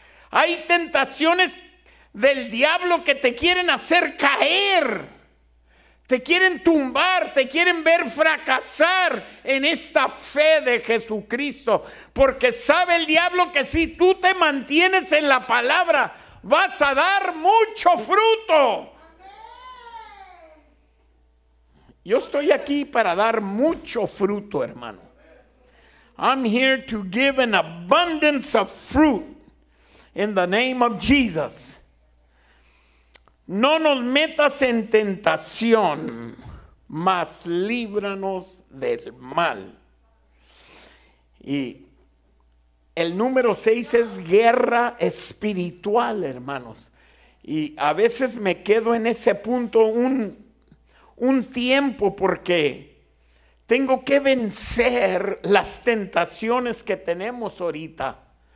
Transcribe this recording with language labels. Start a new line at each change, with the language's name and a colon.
Spanish: Hay tentaciones del diablo que te quieren hacer caer, te quieren tumbar, te quieren ver fracasar en esta fe de Jesucristo. Porque sabe el diablo que si tú te mantienes en la palabra, vas a dar mucho fruto. Yo estoy aquí para dar mucho fruto, hermano.
English: I'm here to give an abundance of fruit in the name of Jesus.
Spanish: No nos metas en tentación, mas líbranos del mal. Y el número 6 es guerra espiritual, hermanos. Y a veces me quedo en ese punto un tiempo porque tengo que vencer las tentaciones que tenemos ahorita.